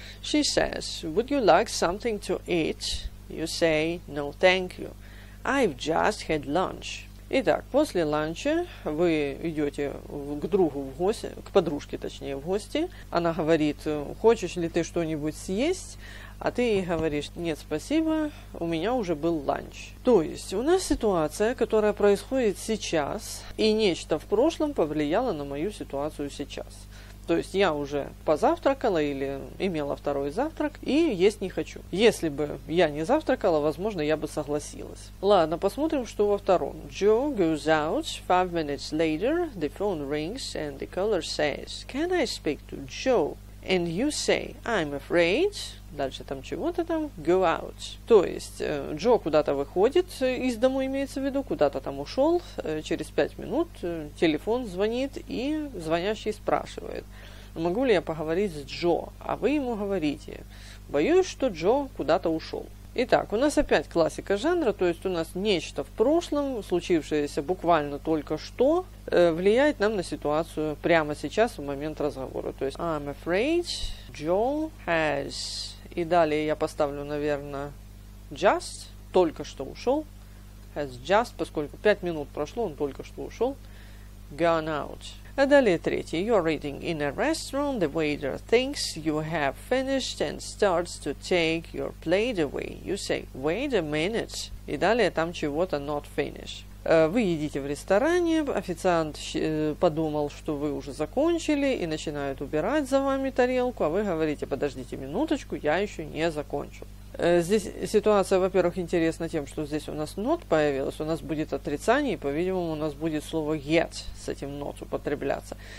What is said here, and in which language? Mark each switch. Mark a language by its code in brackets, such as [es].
[en] She says, would you like something to eat? You say, no, thank you. I've just had lunch. [ru] Итак, после ланча вы идете к другу в гости, к подружке, точнее, в гости. Она говорит, хочешь ли ты что-нибудь съесть? А ты ей говоришь, нет, спасибо, у меня уже был ланч. То есть, у нас ситуация, которая происходит сейчас, и нечто в прошлом повлияло на мою ситуацию сейчас. То есть я уже позавтракала или имела второй завтрак и есть не хочу. Если бы я не завтракала, возможно, я бы согласилась. Ладно, посмотрим, что во втором. [en] Joe goes out. 5 minutes later, the phone rings and the caller says, can I speak to Joe? And you say, I'm afraid. [ru] Дальше там чего-то там. [en] Go out. [ru] То есть Джо куда-то выходит из дому, имеется в виду, куда-то там ушел. Через 5 минут телефон звонит, и звонящий спрашивает, могу ли я поговорить с Джо? А вы ему говорите, боюсь, что Джо куда-то ушел. Итак, у нас опять классика жанра, то есть у нас нечто в прошлом, случившееся буквально только что, влияет нам на ситуацию прямо сейчас, в момент разговора. То есть [en] I'm afraid Joe has... [ru] И далее я поставлю, наверное, just, только что ушел. [en] Has just, [ru] поскольку 5 минут прошло, он только что ушел. [en] Gone out. [ru] А далее третье. [en] You're eating in a restaurant. The waiter thinks you have finished and starts to take your plate away. You say, wait a minute. [ru] И далее там чего-то [en] not finished. [ru] Вы едите в ресторане, официант подумал, что вы уже закончили, и начинает убирать за вами тарелку, а вы говорите, подождите минуточку, я еще не закончил. Здесь ситуация, во-первых, интересна тем, что здесь у нас not появилось, у нас будет отрицание, и, по-видимому, у нас будет слово yet с этим not употребляться.